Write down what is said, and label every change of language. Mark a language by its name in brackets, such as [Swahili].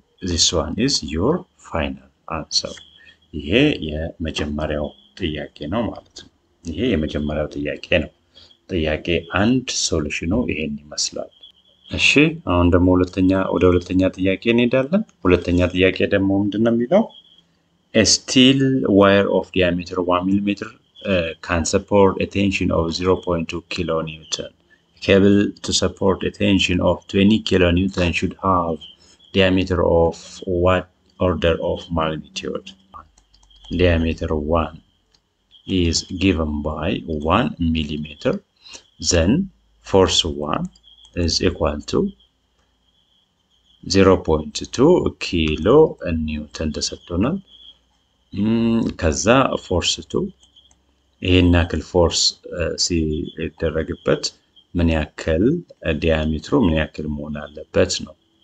[English] ዚስ ዋን ኢዝ ዩር ፋይናል አንሰር። [Amharic] ይሄ የመጀመሪያው ጥያቄ ነው ማለት ነው። ይሄ የመጀመሪያው ጥያቄ ነው። ጥያቄ አንድ ሶሉሽኑ ይሄን ይመስላል። እሺ አሁን ደግሞ ወደ ሁለተኛ ጥያቄ እንሄዳለን። ሁለተኛ ጥያቄ ደግሞ ምንድን ነው የሚለው? [English] ስቲል ዋየር ኦፍ ዲያሜትር 1 ሚሊሜትር can support a tension of 0.2 kilonewton. Cable to support a tension of 20 kilonewton should have diameter of what order of magnitude? Diameter 1 is given by 1 millimeter. Then force 1 is equal to [Amharic] 0.2 ኪሎ ኒውተን ተሰጥቶናል። ከዛ ፎርስ 2 ይሄን ያክል ፎርስ ሲደረግበት ምን ያክል ዲያሜትሩ ምን ያክል መሆን አለበት ነው